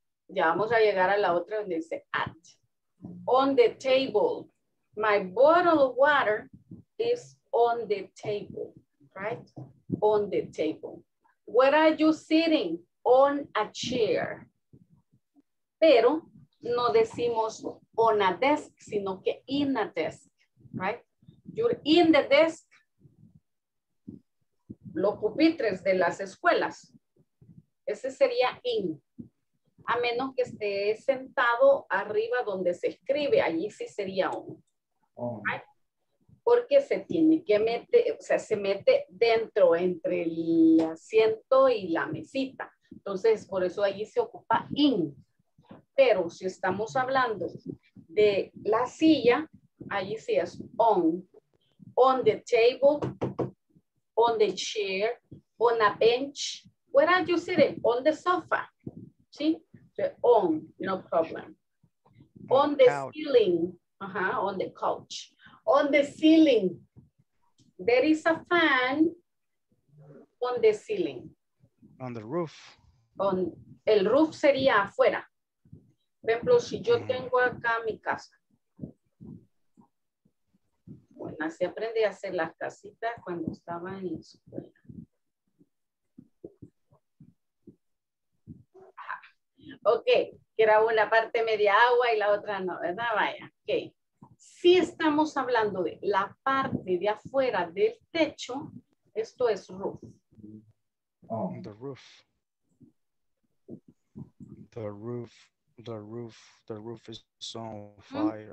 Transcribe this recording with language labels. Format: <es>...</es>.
<es>Ya vamos a llegar a la otra donde dice at.</es> <en>On the table. My bottle of water is on the table. Right? On the table. Where are you sitting? On a chair.</en> <es>Pero no decimos</es> <en>on a desk,</en> <es>sino que</es> <en>in a desk. Right? You're in the desk.</en> <es>Los pupitres de las escuelas. Ese sería in. A menos que esté sentado arriba donde se escribe. Allí sí sería on. Right? Porque se tiene que meter, o sea, se mete dentro entre el asiento y la mesita. Entonces, por eso allí se ocupa in. Pero si estamos hablando de la silla, Allí sí es on.</es> <en>On the table, on the chair, on a bench. Where are you sitting? On the sofa. ¿Sí? So on, no problem. On the ceiling, on the couch. On the ceiling, there is a fan on the ceiling. On the roof.</en> <es>On el roof sería afuera. Por ejemplo, si yo tengo acá mi casa. Bueno, así aprendí a hacer las casitas cuando estaba en escuela. Ok, que era una parte media agua y la otra no, ¿verdad? Vaya, ok. Si estamos hablando de la parte de afuera del techo, esto es roof.</es> <en>On the roof. The roof, the roof, the roof is on fire.</en>